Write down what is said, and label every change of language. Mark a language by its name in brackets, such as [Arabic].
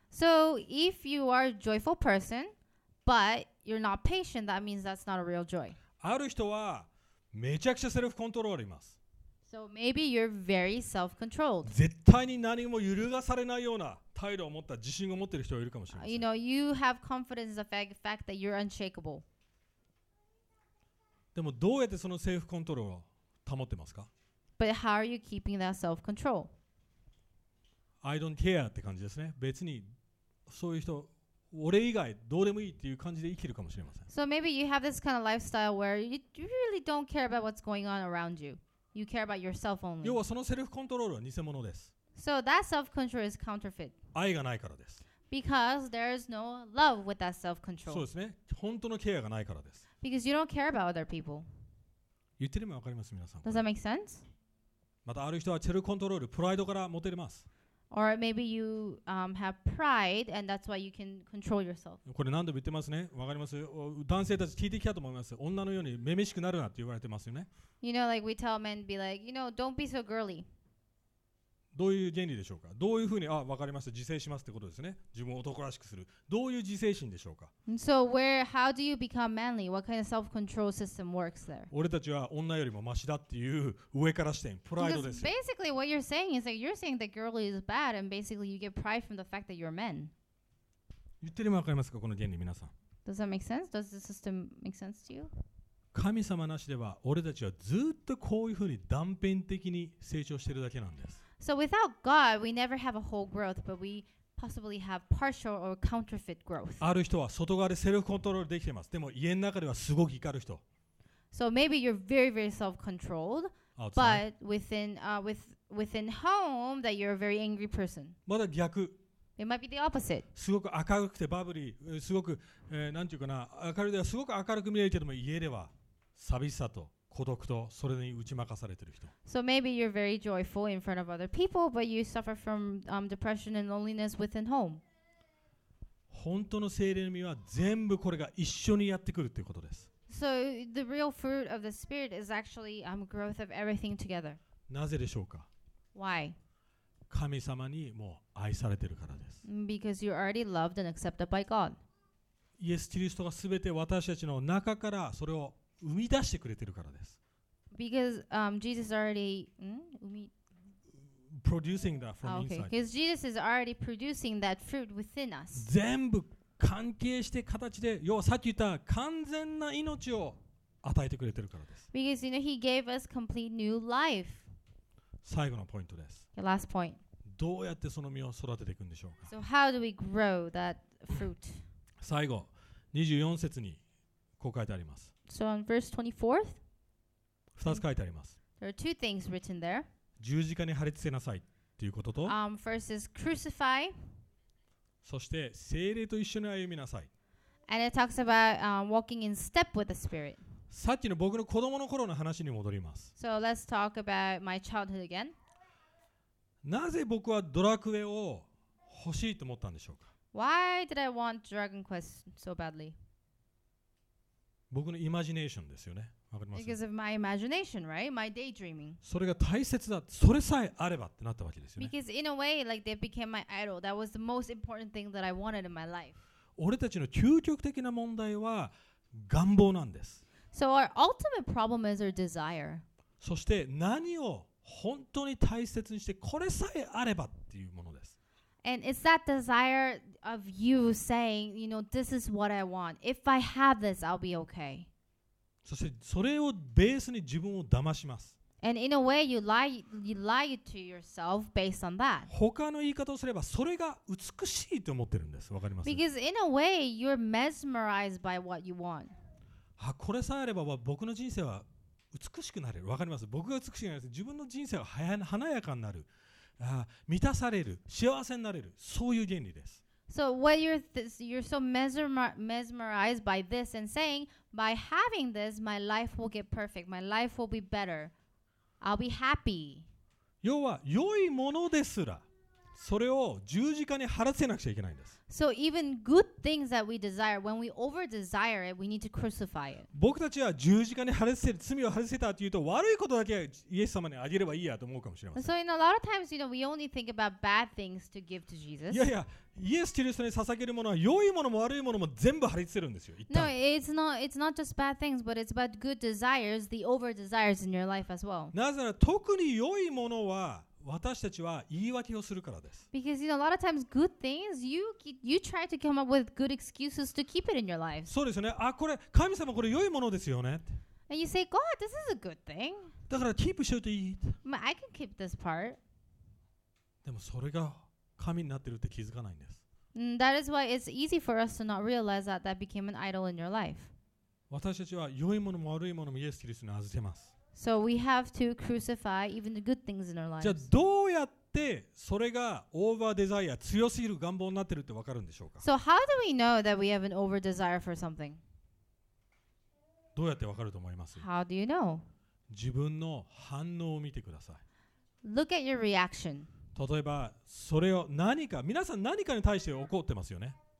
[English] So if you are a joyful person, but you're not patient, that means that's not a real joy. [Japanese] ある人はめちゃくちゃセルフコントロールあります。 [English] So maybe you're very self-controlled. [Japanese] 絶対に何も揺るがされないような態度を持った自信を持っている人がいるかもしれません。 [English] You know, you have confidence in the fact that you're unshakable. [Japanese] でもどうやってそのセルフコントロールを保ってますか？ [English] But how are you keeping that self-control? I don't care [Japanese] って感じですね。別にそういう人俺以外どうでもいいっていう感じで生きるかもしれません。 [English] So maybe you have this kind of lifestyle where you really don't care about what's going on around you. You care about yourself only. [Japanese] 要はそのセルフコントロールは偽物です。 [English] So that self-control is counterfeit. [Japanese] 愛がないからです。 [English] Because there's no love with that self-control. [Japanese] そうですね。本当のケアがないからです。 [English] Because you don't care about other people. [Japanese] 言ってるのわかります皆さん。 [English] Does that make sense? [Japanese] またある人はセルフコントロールプライドから持てれます。 [English] Or maybe you have pride and that's why you can control yourself. [Japanese] これ何度も言ってますね。わかります。男性たち聞いてきたと思います。女のようにめめしくなるなって言われてますよね。 [English] You know, like we tell men, be like, you know, don't be so girly. [Japanese] どういう原理でしょうか。どういうふうに、あ、わかりました。自制しますってことですね。自分を男らしくする。どういう自制心でしょうか。 [English] And so where, how do you become manly? What kind of self-control system works there? [Japanese] 俺たちは女よりもマシだっていう上から視点、プライドですよ。 [English] Because basically what you're saying is that you're saying that girly is bad and basically you get pride from the fact that you're men. [Japanese] 言ってるのわかりますか、この原理皆さん。 [English] Does that make sense? Does the system make sense to you? [Japanese] 神様なしでは俺たちはずっとこういうふうに断片的に成長してるだけなんです。 [English] So without God, we never have a whole growth, but we possibly have partial or counterfeit growth. [Japanese] ある人は外側でセルフコントロールできてます。でも家の中ではすごく怒る人。 [English] So maybe you're very, very self-controlled, but within home that you're a very angry person. [Japanese] まだ逆。 [English] It might be the opposite. [Japanese] すごく明るくてバブリー、すごく、なんていうかな、明るいではすごく明るく見えるけども家では寂しさと。孤独とそれに打ち負かされてる人。 [English] So maybe you're very joyful in front of other people, but you suffer from depression and loneliness within home. [Japanese] 本当の聖霊の実は全部これが一緒にやってくるっていうことです。 [English] So the real fruit of the spirit is actually growth of everything together. [Japanese] なぜでしょうか。 [English] Why? [Japanese] 神様にもう愛されてるからです。 [English] Because you're already loved and accepted by God. [Japanese] イエス・キリストがすべて私たちの中からそれを生み出してくれてるからです。 [English] Because Jesus already producing that from inside. Okay. Because Jesus is already producing that fruit within us. [Japanese] 全部関係して形で、要はさっき言った完全な命を与えてくれてるからです。 [English] Because you know He gave us complete new life. [Japanese] 最後のポイントです。 [English] The last point. [Japanese] どうやってその実を育てていくんでしょうか。 [English] So how do we grow that fruit? [Japanese] 最後24節にこう書いてあります。 [English] So on verse 24, [Japanese] 2つ書いてあります。 [English] There are two things written there. [Japanese] 十字架に貼り付けなさいということと、 [English] first is crucify. [Japanese] そして聖霊と一緒に歩みなさい。 [English] And it talks about walking in step with the Spirit. [Japanese] さっきの僕の子供の頃の話に戻ります。 [English] So let's talk about my childhood again. [Japanese] なぜ僕はドラクエを欲しいと思ったんでしょうか。 [English] Why did I want Dragon Quest so badly? [Japanese] 僕のイマジネーションですよね。わかります。 [English] Because of my imagination, right? My daydreaming. [Japanese] それが大切だ。それさえあればってなったわけですよね。 [English] Because in a way, like they became my idol. That was the most important thing that I wanted in my life. [Japanese] 俺たちの究極的な問題は願望なんです。 [English] So our ultimate problem is our desire. [Japanese] そして何を本当に大切にして、これさえあればっていうものです。 [English] And it's that desire of you saying, you know, this is what I want. If I have this, I'll be okay. [Japanese] そしてそれをベースに自分を騙します。 [English] And in a way, you lie to yourself based on that. [Japanese] 他の言い方をすれば、それが美しいと思ってるんです。わかります? [English] Because in a way, you're mesmerized by what you want. [Japanese] あ、これさえあれば僕の人生は美しくなれる。わかります。僕が美しくなれる。自分の人生は華やかになる。満たされる、幸せになれる、そういう原理です。 [English] So what you're so mesmerized by this and saying, by having this, my life will get perfect, my life will be better, I'll be happy. [Japanese] 要は良いものですら、それを十字架に貼らせなくちゃいけないんです。 [English] So even good things that we desire, when we over desire it, we need to crucify it. [Japanese] 僕たちは十字架に貼らせる、罪を貼らせたというと、悪いことだけイエス様にあげればいいやと思うかもしれません。 [English] So in a lot of times, you know, we only think about bad things to give to Jesus. [Japanese] いやいや、イエス・キリストに捧げるものは良いものも悪いものも全部貼り付けるんですよ。 [English] No, it's not just bad things, but it's about good desires, the over desires in your life as well. [Japanese] なぜなら特に良いものは私たちは言い訳をするからです。 [English] Because you know, a lot of times good things, you try to come up with good excuses to keep it in your life. [Japanese] そうですよね。あ、これ神様これ良いものですよね。 [English] And you say, God, this is a good thing. [Japanese] だからキープしようといい。 [English] But I can keep this part. [Japanese] でもそれが神になってるって気づかないんです。 [English] That is why it's easy for us to not realize that that became an idol in your life. [Japanese] 私たちは良いものも悪いものもイエス・キリストに預けます。 [English] So we have to crucify even the good things in our lives. [Japanese] じゃあどうやってそれがオーバーデザイア、強すぎる願望になってるってわかるんでしょうか? [English] So how do we know that we have an over desire for something? [Japanese] どうやってわかると思います? [English] How do you know? [Japanese] 自分の反応を見てください。 [English] Look at your reaction. [Japanese] 例えばそれを何か、皆さん何かに対して怒ってますよね。